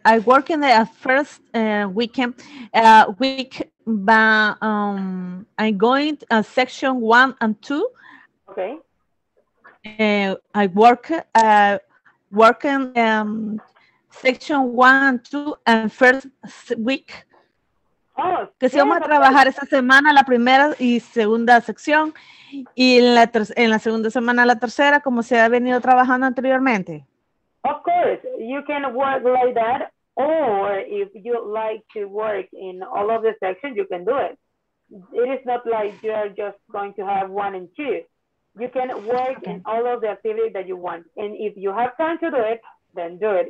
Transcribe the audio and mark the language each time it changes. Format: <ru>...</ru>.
<en>I work in the first weekend week, but I'm going to section 1 and 2. Okay. I work working section 1 and 2 and first week.</en> <es>Que si vamos a trabajar esta semana la primera y segunda sección y en la segunda semana la tercera como se ha venido trabajando anteriormente.</es> <en>Of course, you can work like that, or if you like to work in all of the sections, you can do it. It is not like you are just going to have 1 and 2. You can work in all of the activities that you want, and if you have time to do it, then do it.</en>